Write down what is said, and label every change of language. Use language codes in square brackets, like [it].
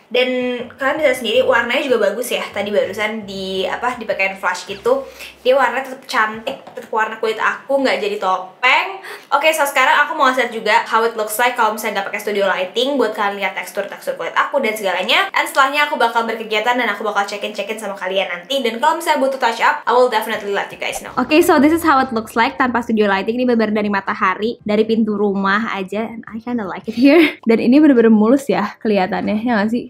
[id] Dan kalian bisa sendiri warnanya juga bagus ya. Tadi barusan di apa dipakein flash gitu. Dia warnanya tetap cantik, tetap warna kulit aku enggak jadi topeng. Oke, [en] okay, so [id] sekarang aku mau lihat juga [en] how it looks like [id] kalau misalnya enggak pakai studio lighting buat kalian lihat tekstur-tekstur kulit aku dan segalanya. Dan setelahnya aku bakal berkegiatan dan aku bakal check-in sama kalian nanti. Dan kalau misalnya butuh touch up, [en] I will definitely let you guys know. [id] Oke, [en] okay, so this is how it looks like [id] tanpa [en] studio lighting. [id] Ini benar-benar dari matahari, dari pintu rumah aja. [en] And I kinda like it here. [id] Dan ini benar-benar mulus ya kelihatannya, ya gak sih?